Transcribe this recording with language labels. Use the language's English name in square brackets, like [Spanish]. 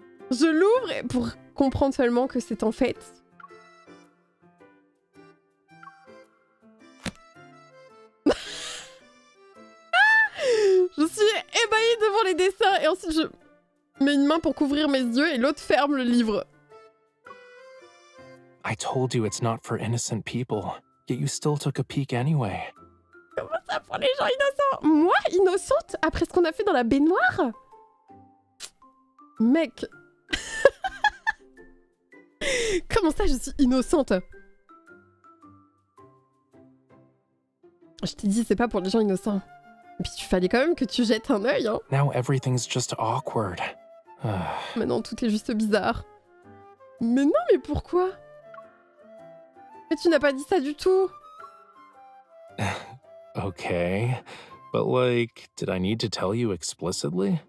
[French] Je l'ouvre pour comprendre seulement que c'est en fait... Je suis ébahie devant les dessins et ensuite je mets une main pour couvrir mes yeux et l'autre ferme le livre. [English] I told you it's not for innocent people, yet you still took a peek anyway. [French] Comment ça pour les gens innocents? Moi, innocente? Après ce qu'on a fait dans la baignoire? Mec... Comment ça, je suis innocente? Je t'ai dit, c'est pas pour les gens innocents. Et puis, il fallait quand même que tu jettes un œil, hein. [English] Now everything's just awkward. [French] Maintenant, tout est juste bizarre. Mais non, mais pourquoi? Mais tu n'as pas dit ça du tout. Ok. [English] But like, did I need to tell you explicitly?